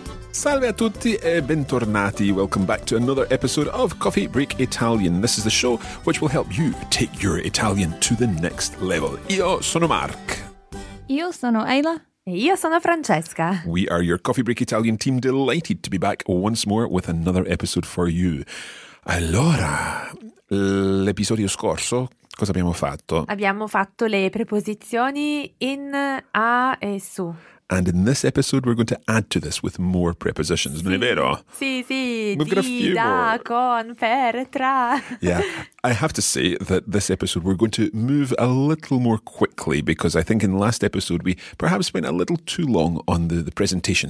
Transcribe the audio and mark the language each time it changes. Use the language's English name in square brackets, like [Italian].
[Italian] Salve a tutti e bentornati. [English] Welcome back to another episode of Coffee Break Italian. This is the show which will help you take your Italian to the next level. [Italian] Io sono Mark. Io sono Ayla. Io sono Francesca. [English] We are your Coffee Break Italian team, delighted to be back once more with another episode for you. [Italian] Allora, l'episodio scorso, cosa abbiamo fatto? Abbiamo fatto le preposizioni in, a e su. [English] And in this episode, we're going to add to this with more prepositions. [Italian] Sì. Non è vero? Sì, sì. [English] We've got a few more. Da, con, per, tra. Yeah. I have to say that this episode, we're going to move a little more quickly because I think in the last episode, we perhaps went a little too long on the presentation.